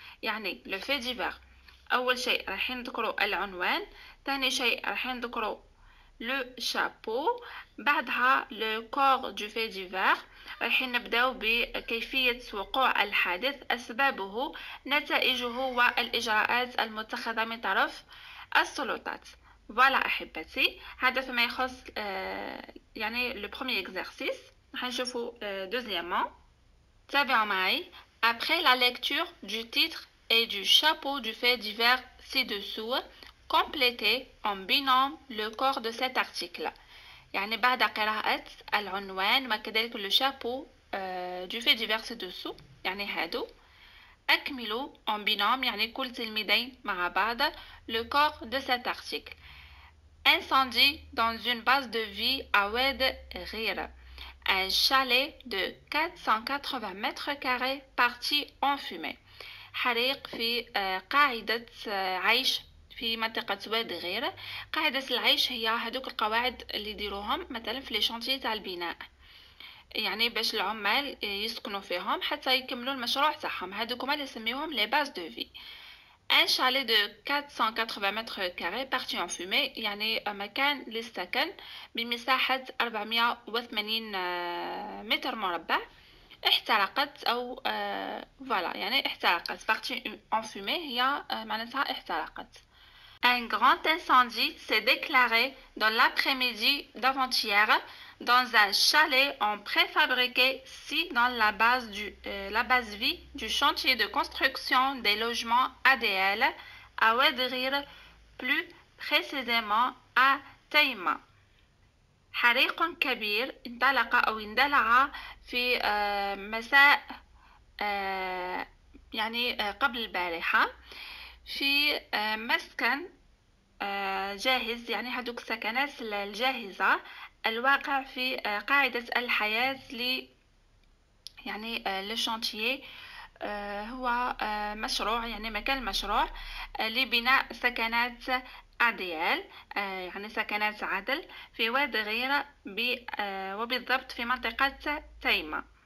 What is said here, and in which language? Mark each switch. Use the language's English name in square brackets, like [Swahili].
[Arabic] يعني لو في ديفير أول شيء راح نذكروا العنوان، ثاني شيء راح نذكروا لو شابو، بعدها [French] لو كور دو في ديفير، [Arabic] راح نبداو بكيفية وقوع الحادث، أسبابه، نتائجه والإجراءات المتخذة من طرف السلطات. فوالا أحبتي، هذا فيما يخص يعني [French] لو برومي اكزارسيس. [Arabic] راح نشوفوا [French] دوزيامون، [Arabic] تابعوا معي. [French] أبخي لا ليكتور دو تيتر et du chapeau du fait divers ci-dessous, complété en binôme le corps de cet article. [Arabic] يعني بعد قراءة العنوان وكذلك [French] le chapeau du fait divers ci-dessous, [Arabic] يعني هادو, أكملوا [French] en binôme, [Arabic] يعني كل تلميذين مع بعض, [French] le corps de cet article. Incendie dans une base de vie à Ouedrir. Un chalet de 480 mètres carrés parti en fumée. [Arabic] حريق في قاعدة عيش في منطقة واد غير. قاعدة العيش هي هذوك القواعد اللي يديروهم مثلا في الشانتي تاع البناء، يعني باش العمال يسكنوا فيهم حتى يكملوا المشروع تاعهم، هذوك هما اللي يسميوهم [French] لي باز دو في. ان شالي دو 480 متر كاري بارتي اون فومي، [Arabic] يعني مكان للسكن بمساحة 480 متر مربع احترقت او فوالا يعني احترقت. [French] بارتي اون فومي [Arabic] هي معناتها احترقت. [French] Un grand incendie s'est déclaré dans l'après-midi d'avant-hier dans un chalet en préfabriqué si dans la base du la base vie du chantier de construction des logements ADL à Ouadrir, plus précisément à Taïma. [Arabic] حريق كبير انطلق أو اندلع في مساء يعني قبل البارحة في مسكن جاهز يعني هذوك السكنات الجاهزة الواقع في قاعدة الحياة لي يعني لشانتيي هو مشروع يعني مكان مشروع لبناء سكنات أديال يعني سكنات عدل في وادي غير وبالضبط في منطقة تيمة.